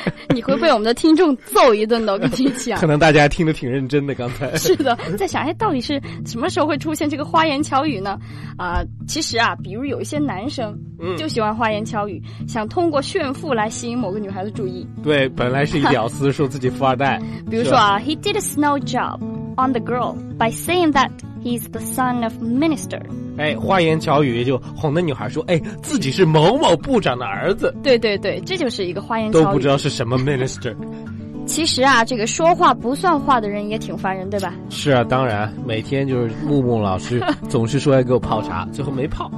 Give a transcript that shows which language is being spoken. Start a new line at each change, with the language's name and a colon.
Chinese: 你会被我们的听众揍一顿的，我跟你讲。可能大家听得挺认真的，刚才是的，在想，哎，到底是什么时候会出现这个花言巧语呢？其实啊，比如有一些男生就喜欢花言巧语，想通过炫富来吸引某个女孩子注意。对，本来是一屌丝，说自己富二代。比如说啊
English: he did a snow job on the girl by saying that he's the son of minister。
Chinese: 哎，花言巧语就哄那女孩说，哎，自己是某某部长的儿子。对对对，这就是一个花言巧语，都不知道是什么 minister。其实啊，这个说话不算话的人也挺烦人，对吧？是啊，当然每天就是木木老师总是说要给我泡茶，最后没泡。